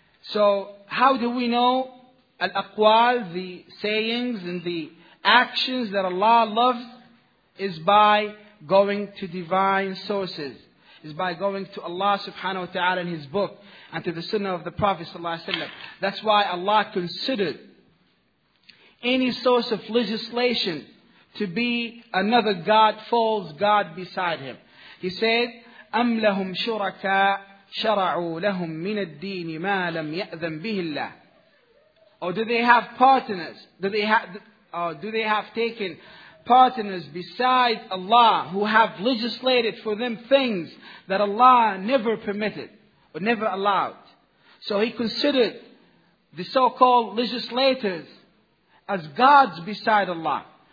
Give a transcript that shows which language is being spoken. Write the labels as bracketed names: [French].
[English] So, how do we know al-aqwal, the sayings and the actions that Allah loves, is by going to divine sources, is by going to Allah subhanahu wa ta'ala and His book, and to the sunnah of the Prophet sallallahu alaihi wasallam. That's why Allah considered any source of legislation to be another god, false god beside Him. He said, [Arabic] أَمْ لَهُمْ شُرَكَاءُ شَرَعُوا لَهُمْ مِنَ الدِّينِ مَا لَمْ يَأْذَنْ بِهِ اللَّهِ. [English] Or do they have partners? Do they have taken partners besides Allah who have legislated for them things that Allah never permitted or never allowed? So he considered the so-called legislators as gods beside Allah.